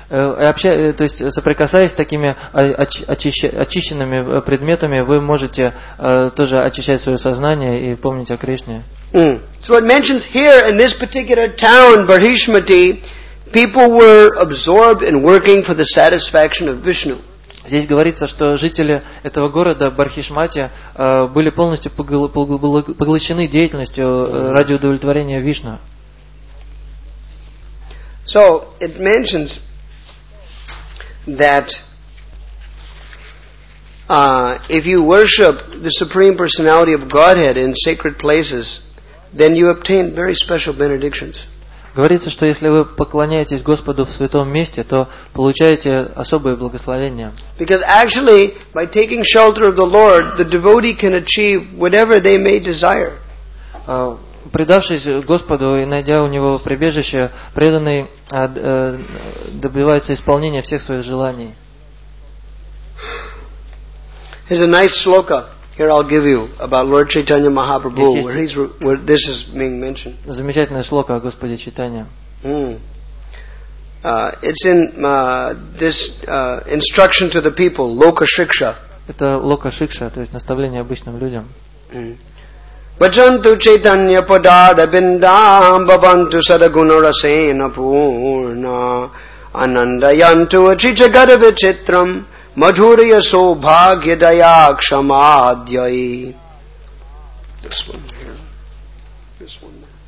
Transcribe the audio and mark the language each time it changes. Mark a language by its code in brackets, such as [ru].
[ru] То есть соприкасаясь с такими очищенными предметами, вы можете тоже очищать свое сознание и помнить о Кришне. [en] So it mentions here in this particular town, Brihaspati, people were absorbed in working for the satisfaction of Vishnu. [ru] Здесь говорится, что жители этого города Брихаспати были полностью поглощены деятельностью ради удовлетворения Вишну. [en] So it mentions that if you worship the Supreme Personality of Godhead in sacred places, then you obtain very special benedictions. [ru] Говорится, что если вы поклоняетесь Господу в святом месте, то получаете особые благословения. [en] Because actually, by taking shelter of the Lord, the devotee can achieve whatever they may desire. [ru] Предавшись Господу и найдя у него прибежище, преданный добивается исполнения всех своих желаний. [en] Here's a nice shloka. Here I'll give you about Lord Chaitanya Mahaprabhu, where this is being mentioned. [ru] Замечательная шлока о Господе Чайтанье. [en] It's in this instruction to the people, loka shiksha. [ru] Это лока шикша, то есть наставление обычным людям. [sa] Bhajantu Chaitanya Padarabindam Bhavantu Sadaguna Rasena Purna Anandayantu Achichagada Vichitram Madhurya so bhagya dayakshamadyai. [en] This one here. This one there.